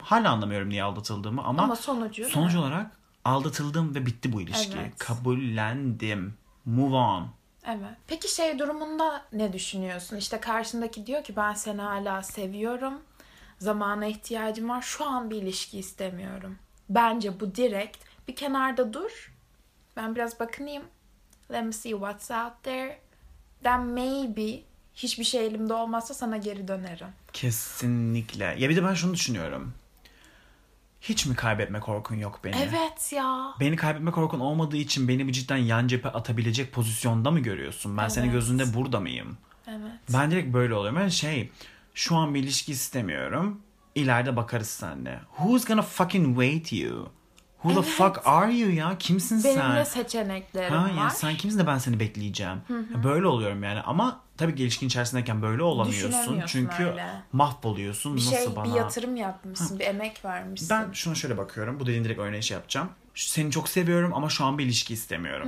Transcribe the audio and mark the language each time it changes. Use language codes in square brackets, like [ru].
[tr] Hala anlamıyorum niye aldatıldığımı ama sonuç olarak aldatıldım ve bitti bu ilişki. Evet. Kabullendim. [en] Move on. [tr] Evet. Peki şey durumunda ne düşünüyorsun? İşte karşındaki diyor ki ben seni hala seviyorum. Zamana ihtiyacım var. Şu an bir ilişki istemiyorum. Bence bu direkt. Bir kenarda dur. Ben biraz bakınayım. [en] Let me see what's out there. Then maybe [tr] hiçbir şey elimde olmazsa sana geri dönerim. Kesinlikle. Ya bir de ben şunu düşünüyorum. Hiç mi kaybetme korkun yok beni? Evet ya. Beni kaybetme korkun olmadığı için beni bir cidden yan cephe atabilecek pozisyonda mı görüyorsun? Ben evet. Senin gözünde burada mıyım? Evet. Ben direkt böyle oluyorum. Ben şey şu an bir ilişki istemiyorum. İleride bakarız seninle. [en] Who's gonna fucking wait you? Who the fuck are you ya? [tr] Kimsin benim sen? Benim de seçeneklerim var. Ha ya sen kimsin de ben seni bekleyeceğim. Böyle oluyorum yani ama tabii ki ilişkin içerisindeyken böyle olamıyorsun. Çünkü öyle. Mahvoluyorsun. Bir nasıl şey, bana? Bir yatırım yapmışsın, bir emek vermişsin. Ben şuna şöyle bakıyorum. Bu dediğin direkt örneği şey yapacağım. Seni çok seviyorum ama şu an bir ilişki istemiyorum.